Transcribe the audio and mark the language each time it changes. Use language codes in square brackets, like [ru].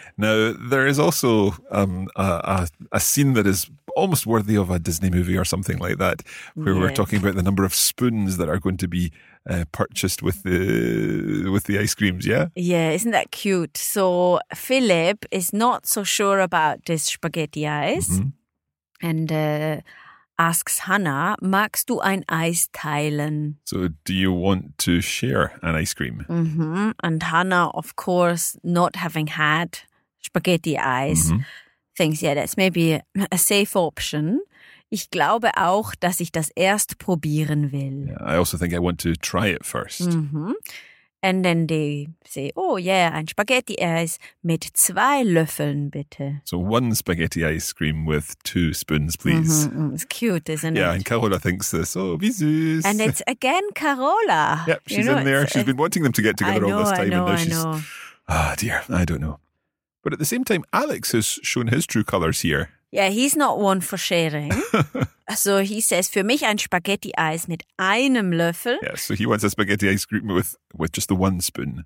[en] Now, there is also a scene that is almost worthy of a Disney movie or something like that, where we're talking about the number of spoons that are going to be purchased with the ice creams, yeah? Yeah, isn't that cute? So Philip is not so sure about this spaghetti ice. Mm-hmm. And asks Hannah, [de] magst du ein Eis teilen? [en] So do you want to share an ice cream? Mm-hmm. And Hannah, of course, not having had spaghetti ice, mm-hmm, thinks, yeah, that's maybe a safe option. [de] Ich glaube auch, dass ich das erst probieren will. [en] Yeah, I also think I want to try it first. Mm-hmm. And then they say, oh yeah, [de] ein spaghetti ice mit 2 Löffeln, bitte. [en] So 1 spaghetti ice cream with 2 spoons, please. Mm-hmm. It's cute, isn't it? Yeah, and Carola thinks this. [de] Oh, wie süß. [en] And it's again Carola. Yep, she's in there. She's been wanting them to get together all this time. I know. Ah, dear, I don't know. But at the same time, Alex has shown his true colours here. Yeah, he's not one for sharing. So he says, [de] für mich ein Spaghetti-Eis mit 1 Löffel. [en] Yes, so he wants a spaghetti ice cream with just the 1 spoon.